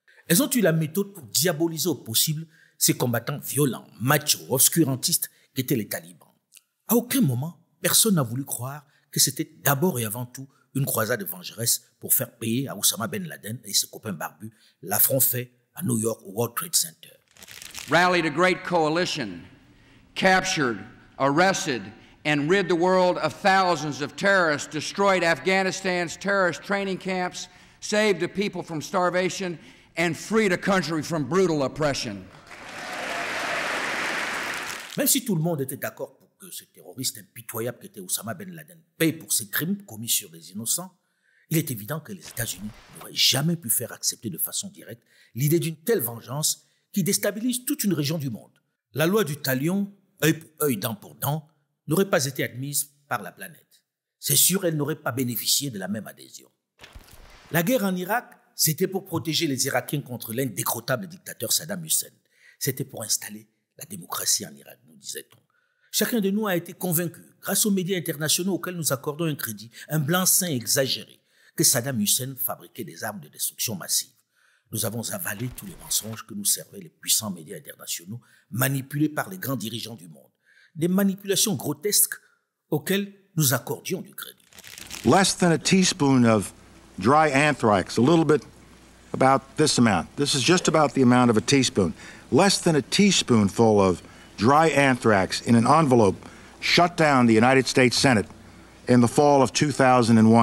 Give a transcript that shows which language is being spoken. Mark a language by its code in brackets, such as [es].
[fr] Elles ont eu la méthode pour diaboliser au possible ces combattants violents, machos, obscurantistes qu'étaient les talibans. À aucun moment, personne n'a voulu croire que c'était d'abord et avant tout une croisade vengeresse pour faire payer à Osama Ben Laden et ses copains barbus l'affront fait à New York au World Trade Center. [en] Rallied a great coalition, captured, arrested, and rid the world of thousands of terrorists, destroyed Afghanistan's terrorist training camps, saved the people from starvation, and freed a country from brutal oppression. [fr] Même si tout le monde était d'accord que ce terroriste impitoyable qu'était Osama Ben Laden paye pour ses crimes commis sur des innocents, il est évident que les États-Unis n'auraient jamais pu faire accepter de façon directe l'idée d'une telle vengeance qui déstabilise toute une région du monde. La loi du talion, œil pour œil, dent pour dent, n'aurait pas été admise par la planète. C'est sûr, elle n'aurait pas bénéficié de la même adhésion. La guerre en Irak, c'était pour protéger les Irakiens contre l'indécrottable dictateur Saddam Hussein. C'était pour installer la démocratie en Irak, nous disait-on. Chacun de nous a été convaincu, grâce aux médias internationaux auxquels nous accordons un crédit, un blanc-seing exagéré, que Saddam Hussein fabriquait des armes de destruction massive. Nous avons avalé tous les mensonges que nous servaient les puissants médias internationaux, manipulés par les grands dirigeants du monde. Des manipulations grotesques auxquelles nous accordions du crédit. [en] Less than a teaspoon of dry anthrax, a little bit about this amount. This is just about the amount of a teaspoon. Less than a teaspoon full of dry anthrax in an envelope shut down the United States Senate in the fall of 2001.